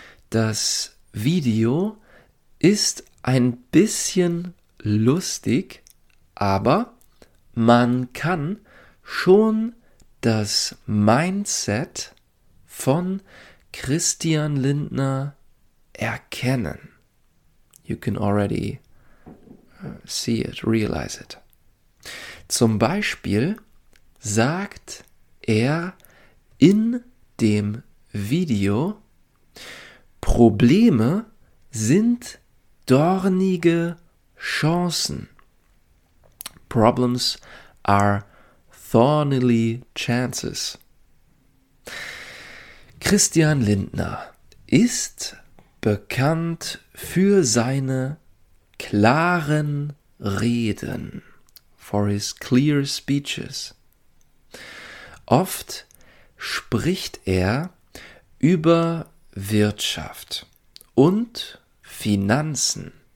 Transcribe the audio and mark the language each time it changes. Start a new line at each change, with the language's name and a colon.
German: Das Video ist ein bisschen lustig, aber man kann schon das Mindset von Christian Lindner erkennen.
English: You can already see it, realize it.
German: Zum Beispiel sagt er in dem Video, Probleme sind dornige Chancen.
English: Problems are thornily chances.
German: Christian Lindner ist bekannt für seine klaren Reden,
English: for his clear speeches.
German: Oft spricht er über Wirtschaft und Finanzen.